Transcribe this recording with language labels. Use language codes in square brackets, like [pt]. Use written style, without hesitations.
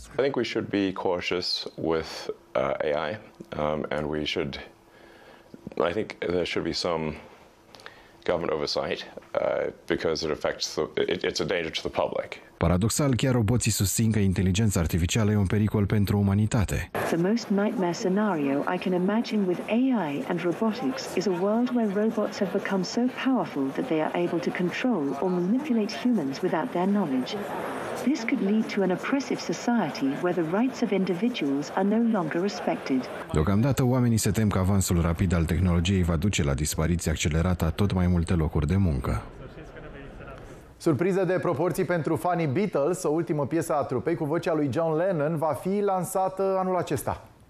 [en] I think we should be cautious with AI and we should I think there should be some government oversight because it affects the it's a danger to the public. [ro] Paradoxal, chiar roboții susțin că inteligența artificială e un pericol pentru umanitate. [en] The most nightmare scenario I can imagine with AI and robotics is a world where robots have become so powerful that they are able to control or manipulate humans without their knowledge. This could lead to an oppressive society where the rights of individuals are no longer respected. [ro] Deocamdată, oamenii se tem că avansul rapid al tehnologiei va duce la dispariția accelerată a tot mai multe locuri de muncă. Surpriză de proporții pentru fanii Beatles, o ultimă piesă a trupei cu vocea lui John Lennon va fi lansată anul acesta.